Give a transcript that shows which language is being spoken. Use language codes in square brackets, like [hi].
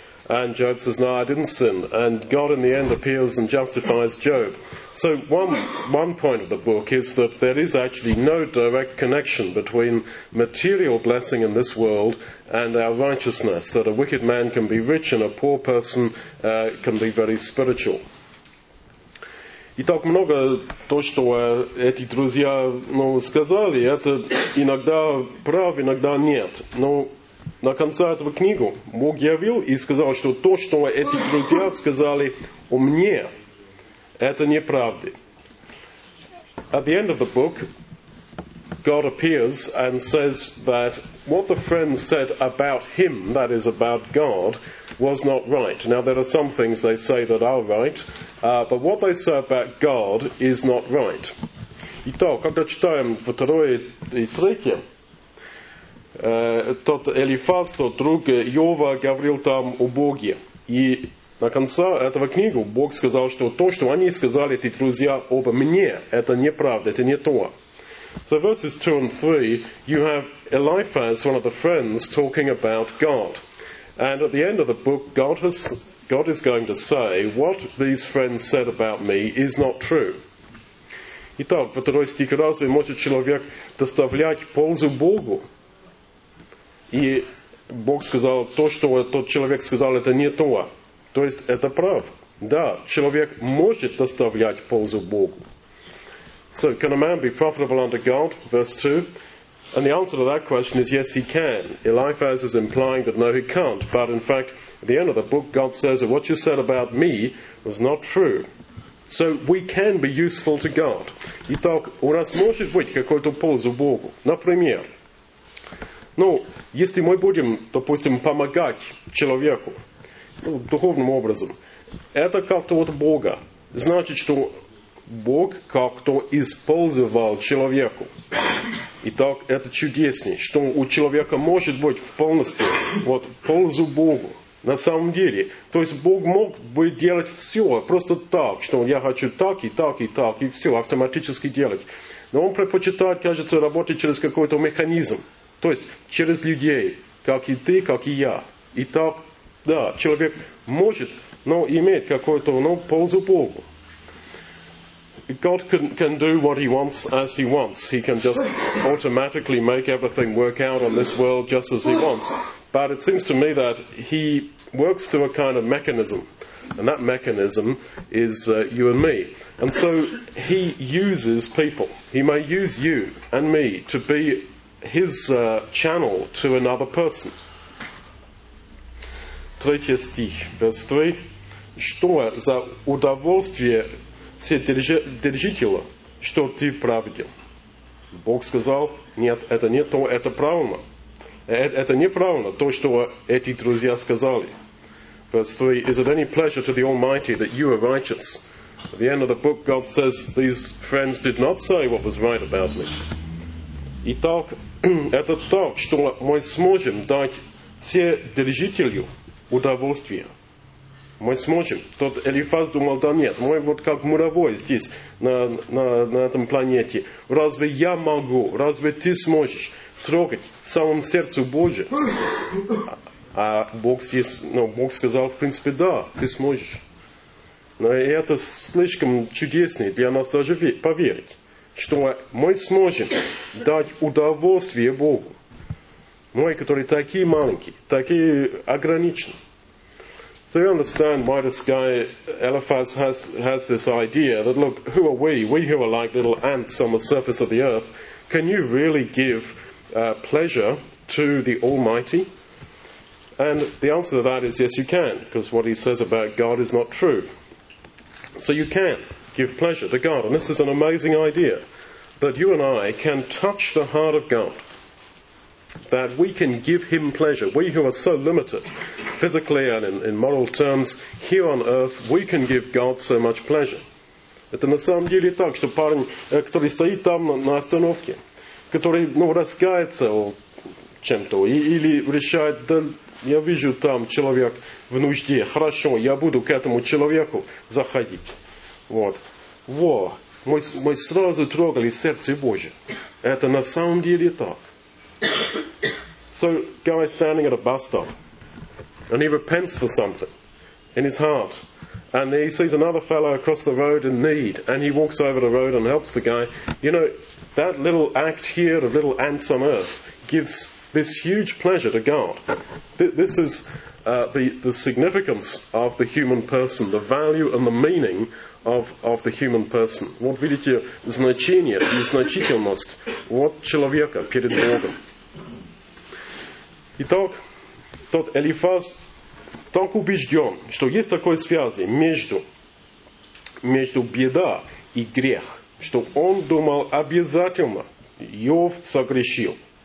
[en] And Job says, no, I didn't sin. And God in the end appeals and justifies Job. So one point of the book is that there is actually no direct connection between material blessing in this world and our righteousness, that a wicked man can be rich and a poor person can be very spiritual. [ru] Итак, много то, что эти друзья, ну, сказали, это иногда прав, иногда нет. Но на конце этого книги Бог явил и сказал, что то, что эти друзья сказали о мне, это неправда. [en] At the end of the book, God appears and says that what the friends said about him, that is about God, was not right. Now there are some things they say that are right, but what they say about God is not right. [ru] Итак, когда читаем второе и третье, тот Элифаз, тот друг Иова, говорил там о Боге. И на конце этого книги Бог сказал, что то, что они сказали, эти друзья, обо мне, это неправда, это не то. [en] So verses 2 and 3, you have Eliphaz, one of the friends, talking about God. And at the end of the book, God is going to say, what these friends said about me is not true. [ru] Итак, во второй стих, разве может человек доставлять пользу Богу? И Бог сказал, то, что тот человек сказал, это не то. То есть, это прав. Да, человек может доставлять пользу Богу. [en] So, can a man be profitable unto God? Verse 2. And the answer to that question is, yes, he can. Eliphaz is implying that, no, he can't. But, in fact, at the end of the book, God says that what you said about me was not true. So, we can be useful to God. [ru] Итак, у нас может быть какой-то пользу Богу. Например, ну, если мы будем, допустим, помогать человеку, ну, духовным образом, это как-то от Бога. Значит, что Бог как-то использовал человеку. Итак, это чудеснее, что у человека может быть в полностью вот, пользу Богу. На самом деле, то есть Бог мог бы делать все просто так, что я хочу так и так и так, и все автоматически делать. Но он предпочитает, кажется, работать через какой-то механизм. То есть через людей, как и ты, как и я. И так, да, человек может, но имеет какую-то, ну, пользу Богу. [en] God can do what he wants as he wants. He can just automatically make everything work out on this world just as he wants. But it seems to me that he works through a kind of mechanism. And that mechanism is you and me. And so he uses people. He may use you and me to be his channel to another person. [ru] Третий стих, [en] verse 3. [ru] Что за удовольствие вседержителя, что ты правдил? Бог сказал, нет, это не то, это правильно. Это неправильно, то, что эти друзья сказали. [en] verse 3, is it any pleasure to the Almighty that you are righteous? At the end of the book, God says, these friends did not say what was right about me. [ru] Итак, это то, что мы сможем дать вседержителю удовольствия. Мы сможем. Тот Элифаз думал, да нет, мы вот как муравой здесь, на этом планете. Разве я могу, разве ты сможешь трогать в самом сердце Божие? А Бог здесь, ну, Бог сказал, в принципе, да, ты сможешь. Но это слишком чудесно для нас даже поверить, что мы сможем дать удовольствие Богу. Мы, которые такие маленькие, такие ограничены. [en] So you understand why this guy Eliphaz has this idea that, look, who are we? We who are like little ants on the surface of the earth. Can you really give pleasure to the Almighty? And the answer to that is yes, you can, because what he says about God is not true. So you can give pleasure to God. And this is an amazing idea, that you and I can touch the heart of God. That we can give him pleasure. We who are so limited, physically and in moral terms, here on earth, we can give God so much pleasure. [ru] Это на самом деле так, что парень, который стоит там на остановке, который, ну, раскается о чем-то, или решает, да, я вижу там человек в нужде, хорошо, я буду к этому человеку заходить. Вот. Во, мы сразу трогали сердце Божие. Это на самом деле так. [en] So, guy standing at a bus stop, and he repents for something in his heart, and he sees another fellow across the road in need, and he walks over the road and helps the guy. You know, that little act here of little ants on earth gives this huge pleasure to God. This is the significance of the human person, the value and the meaning of the human person. [ru] Вот видите, значение и значительность вот человека перед Богом. Итак, тот Элифаз так убежден, что есть такое связи между беда и грех, что он думал обязательно, Йов согрешил.